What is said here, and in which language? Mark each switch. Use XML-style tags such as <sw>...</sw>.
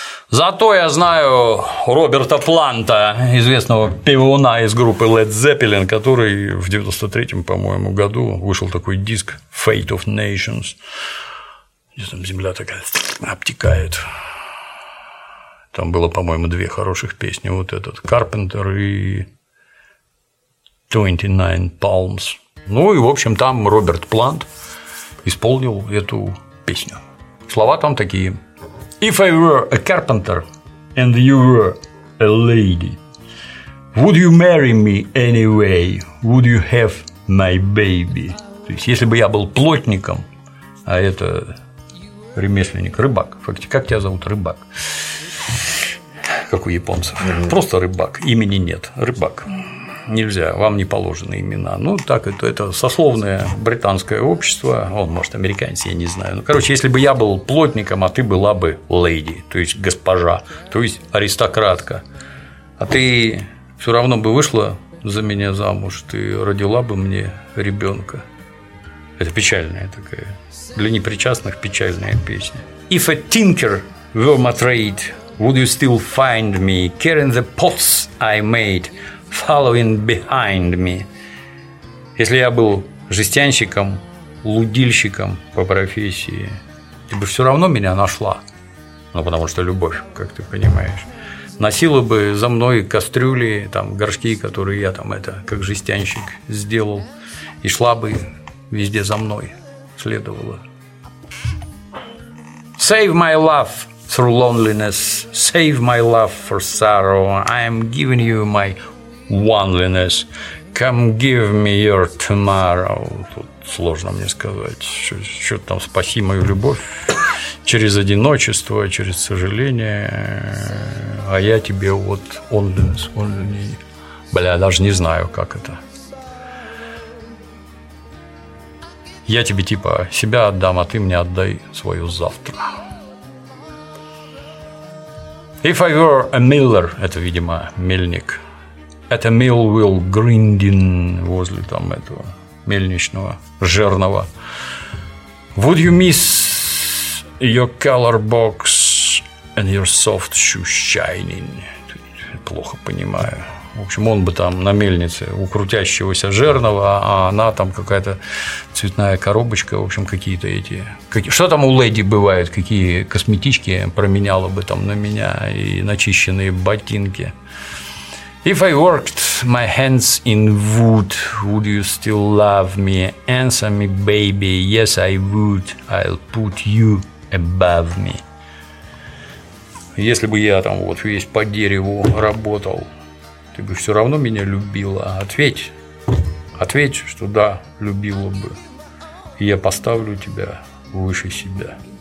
<ru>Зато я знаю Роберта Планта, известного певуна из группы Led Zeppelin, который в 93-м, по-моему, году вышел такой диск «Fate of Nations», где там земля такая обтекает. Там было, по-моему, две хороших песни, вот этот «Carpenter» и</ru> <en>29 Palms.</en> <ru>Ну и, в общем, там Роберт Плант исполнил эту песню. Слова там такие.</ru> <en>If I were a carpenter and you were a lady, would you marry me anyway? Would you have my baby?</en> <ru>То есть, если бы я был плотником, а это ремесленник, рыбак. Фактически, как тебя зовут? Рыбак. Как у японцев. Mm-hmm. Просто рыбак. Имени нет. Рыбак. Нельзя, вам не положены имена. Ну, так это сословное британское общество. Он, может, американец, я не знаю. Ну, короче, если бы я был плотником, а ты была бы леди, то есть госпожа, то есть аристократка. А ты все равно бы вышла за меня замуж, ты родила бы мне ребенка. Это печальная такая. Для непричастных печальная песня.</ru> <en>If a tinker were my trade, would you still find me carrying the pots I made? Following behind me.</en> <ru>Если я был жестянщиком, лудильщиком по профессии, ты бы все равно меня нашла. Ну, потому что любовь, как ты понимаешь. Носила бы за мной кастрюли, там, горшки, которые я там это, как жестянщик, сделал. И шла бы везде за мной, следовала.</ru> <en>Save my love through loneliness. Save my love for sorrow. I am giving you my oneliness, come give me your tomorrow.</en> <ru>Тут сложно мне сказать, что там, спаси мою любовь через одиночество, через сожаление, а я тебе вот</ru> <en>onlyness, only.</en> <ru>Бля, даже не знаю, как это. Я тебе типа себя отдам, а ты мне отдай свое завтра.</ru> <en>If I were a miller,</en> <ru>это, видимо, мельник,</ru> <en>at a mill will grinding,</en> <ru>возле там этого мельничного жерного.</ru> <en>Would you miss your color box and your soft shoe shining?</en> <ru>Плохо понимаю. В общем, он бы там на мельнице у крутящегося жерного, а она там какая-то цветная коробочка, в общем, какие-то эти... Что там у леди бывает, какие косметички променяла бы там на меня и начищенные ботинки?</ru> <en>If I worked my hands in wood, would you still love me? Answer me, baby, yes, I would. I'll put you above me.</en> <ru>Если бы я там вот весь по дереву работал, ты бы все равно меня любила. Ответь, что да, любила бы. И я поставлю тебя выше себя.</ru>